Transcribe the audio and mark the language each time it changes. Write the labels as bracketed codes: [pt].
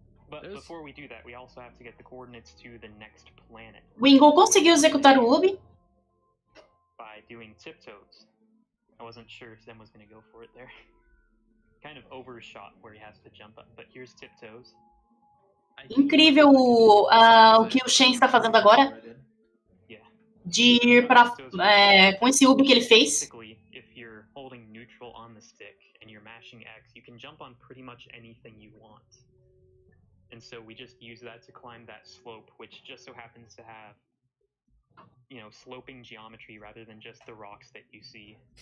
[en] But before we do that, we also have to get the coordinates to the next planet. [pt] O Ingo conseguiu executar o UB [en] by doing tiptoes. I wasn't sure if Zem was going to go for it there. Kind of overshot where he has to jump up, but here's tiptoes. [pt] Incrível o que o Shen está fazendo agora. De ir para com esse UB que ele fez. [en] If you're holding neutral on the stick and you're mashing X, you can jump on pretty much anything you want. And so we just use that to climb that slope, which just so happens to have, you know, sloping geometry rather than just the rocks that you see.